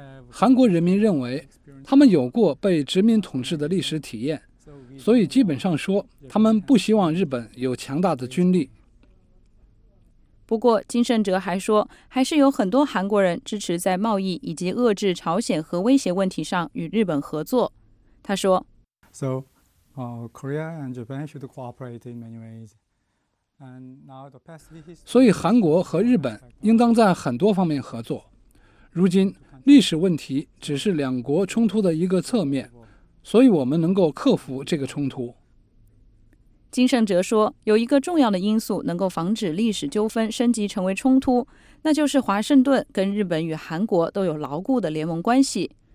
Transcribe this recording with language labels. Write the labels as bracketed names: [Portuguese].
[Chinese] 韩国人民认为他们有过被殖民统治的历史体验，所以基本上说他们不希望日本有强大的军力。不过金盛哲还说，还是有很多韩国人支持在贸易以及遏制朝鲜核威胁问题上与日本合作。他说， [English] Korea and Japan should cooperate in many ways. [Chinese] 所以韩国和日本应当在很多方面合作。如今历史问题只是两国冲突的一个侧面，所以我们能够克服这个冲突。金盛哲说，有一个重要的因素能够防止历史纠纷升级成为冲突，那就是华盛顿跟日本与韩国都有牢固的联盟关系。